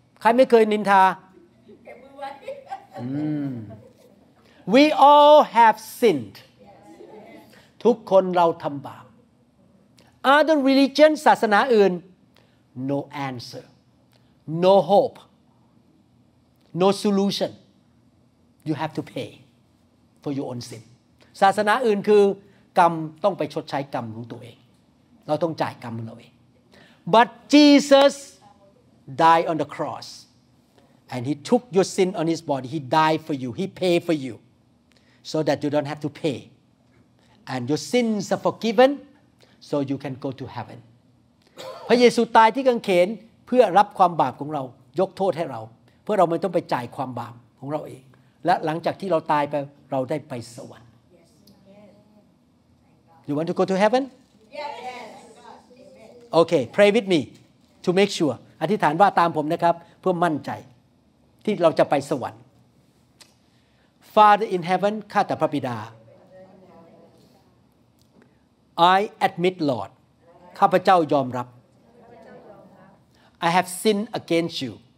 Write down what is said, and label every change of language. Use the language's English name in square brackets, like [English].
[Thai] ใครไม่เคยนินทา [English] We all have sinned. [Thai] ทุกคนเราทำบาป [English] Other religion [Thai] ศาสนาอื่น [English] No answerNo hope, no solution. You have to pay for your own sin. [Thai] ศาสนาอื่นคือกรรมต้องไปชดใช้กรรมของตัวเองเราต้องจ่ายกรรมของเราเอง [English] But Jesus died on the cross and he took your sin on his body. He died for you. He paid for you so that you don't have to pay. And your sins are forgiven so you can go to heaven. [Thai] พระเยซูตายที่กางเขนเพื่อรับความบาปของเรายกโทษให้เราเพื่อเราไม่ต้องไปจ่ายความบาปของเราเองและหลังจากที่เราตายไปเราได้ไปสวรรค์ [English] You want to go to heaven? Yes. Okay, pray with me to make sure [Thai] อธิษฐานว่าตามผมนะครับเพื่อมั่นใจที่เราจะไปสวรรค์ [English] Father in heaven [Thai] ข้าแต่พระบิดา [English] I admit Lord [Thai] ข้าพเจ้ายอมรับ [English] I have sinned against you.